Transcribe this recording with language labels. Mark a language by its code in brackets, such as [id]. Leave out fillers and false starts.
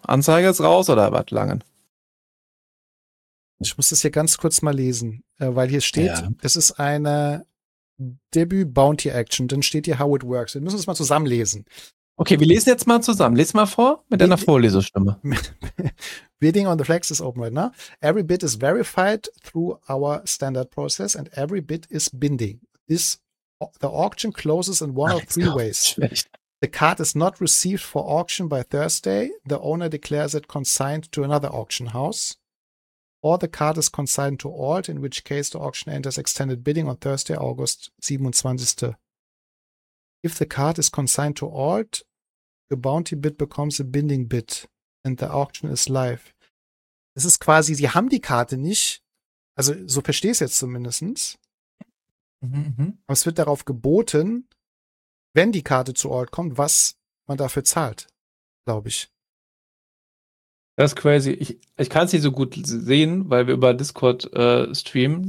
[de] Anzeige ist raus oder was langen. Ich muss das hier ganz kurz mal lesen, weil hier steht, es ist eine Debut Bounty Action. Dann steht hier, [en] how it works. [de] Wir müssen es mal zusammenlesen. Okay, wir lesen jetzt mal zusammen. Lies mal vor mit deiner Vorlesestimme. [en] Bidding on the flags is open right now. Every bid is verified through our standard process and every bid is binding. The auction closes in one of three ways. [de] Schlecht. [en] The card is not received for auction by Thursday. The owner declares it consigned to another auction house. Or the card is consigned to Alt, in which case the auction enters extended bidding on Thursday, August 27. If the card is consigned to Alt, the bounty bid becomes a binding bid and the auction is live. [de] Es ist quasi, sie haben die Karte nicht. Also so verstehe ich es jetzt zumindest. Aber es wird darauf geboten, wenn die Karte zu Alt kommt, was man dafür zahlt, glaube ich. Das ist crazy. Ich kann es nicht so gut sehen, weil wir über Discord streamen.